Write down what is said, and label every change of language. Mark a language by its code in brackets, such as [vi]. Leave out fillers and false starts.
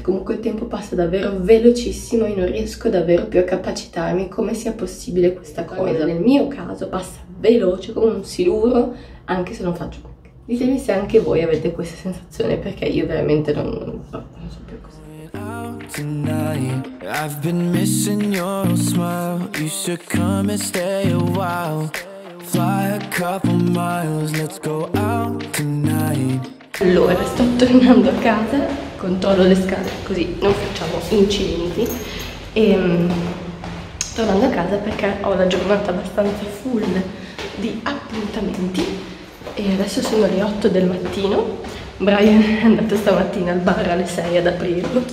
[it] Comunque il tempo passa davvero velocissimo e non riesco davvero più a capacitarmi come sia possibile questa cosa. Nel mio caso passa veloce come un siluro, anche se non faccio. Ditemi se anche voi avete questa sensazione, perché io veramente non so più cosa. [en] I've been missing your smile. You should come and stay a while. Fly a couple miles, let's go out tonight. [it] Allora, sto tornando a casa, controllo le scale così non facciamo incidenti. E tornando a casa perché ho la giornata abbastanza full di appuntamenti. E adesso sono le 8 del mattino. Brian è andato stamattina al bar alle 6 ad aprirlo.